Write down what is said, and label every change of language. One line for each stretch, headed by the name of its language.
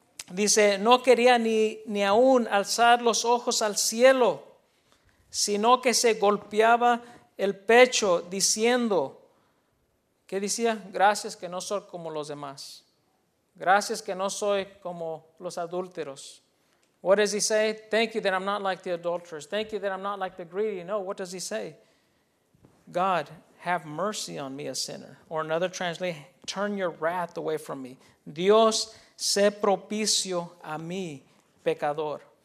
Spanish: Dice, no quería ni aún alzar los ojos al cielo, sino que se golpeaba el pecho diciendo, ¿qué decía? Gracias que no soy como los demás. Gracias que no soy como los adúlteros.
English: What does he say? Thank you that I'm not like the adulterers. Thank you that I'm not like the greedy. No, what does he say? God, have mercy on me, a sinner. Or another translation, turn your wrath away from me.
Spanish: Dios, sé propicio a mí, pecador.